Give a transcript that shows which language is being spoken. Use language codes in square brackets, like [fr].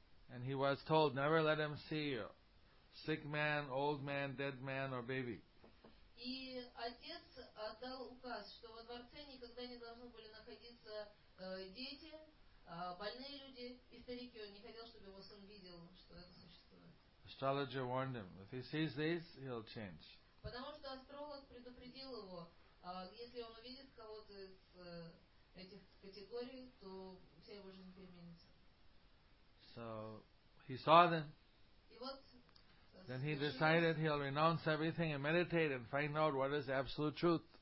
[en] And he was told, never let him see you, sick man, old man, dead man, or baby. [ru] И отец отдал указ, что во дворце никогда не должны были находиться дети, больные люди и старики. Он не хотел, чтобы его сын видел, что это существует. [en] Astrologer warned him, if he sees these, he'll change. [ru] Потому что астролог предупредил его, если он увидит кого-то из этих категорий, то вся его жизнь переменится. [en] So he saw them. [ru] И вот. [en] Then he decided he'll renounce everything and meditate and find out what is the absolute truth.